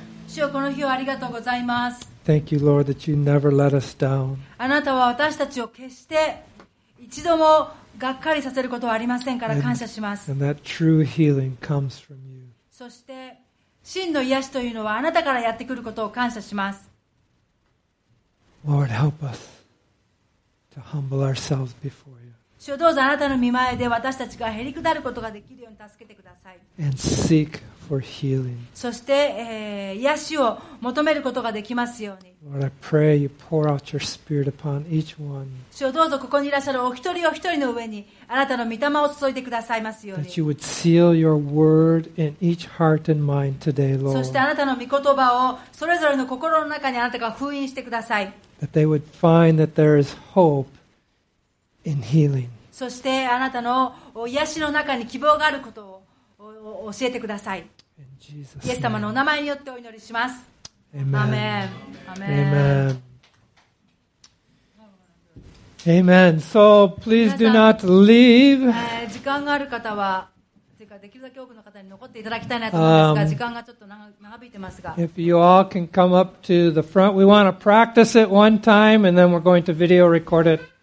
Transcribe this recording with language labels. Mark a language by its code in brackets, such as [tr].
[en] Thank you, Lord, that you never let us down. [ja] あなたは私たちを決して一度もがっかりさせることはありませんから感謝します。 [en] And that true healing comes from you. [ja] そして真の癒しというのはあなたからやってくることを感謝します。 [en] Lord, help us to humble ourselves before you. [ja] 主どうぞあなたの御前で私たちがへりくだることができるように助けてください。 [en] And seek for healing. [ja] そして、癒しを求めることができますように。 [en] Lord, I pray you pour out your spirit upon each one. [ja] 主どうぞここにいらっしゃるお一人お一人の上にあなたの御霊を注いでくださいますように。 [en] That you would seal your word in each heart and mind today, Lord. [ja] そしてあなたの御言葉をそれぞれの心の中にあなたが封印してください。 [en] That they would find that there is hope. In healing. [ja] そしてあなたの癒しの中に希望があることを教えてください。イエス様のお名前によってお祈りします。アーメン。アーメン。アーメン。 [en] So please do not leave. [ja] 時間がある方はというかできるだけ多くの方に残っていただきたいなと思いますが、時間がちょっと長引いてますが、 [en] If you all can come up to the front, we want to practice it one time and then we're going to video record it.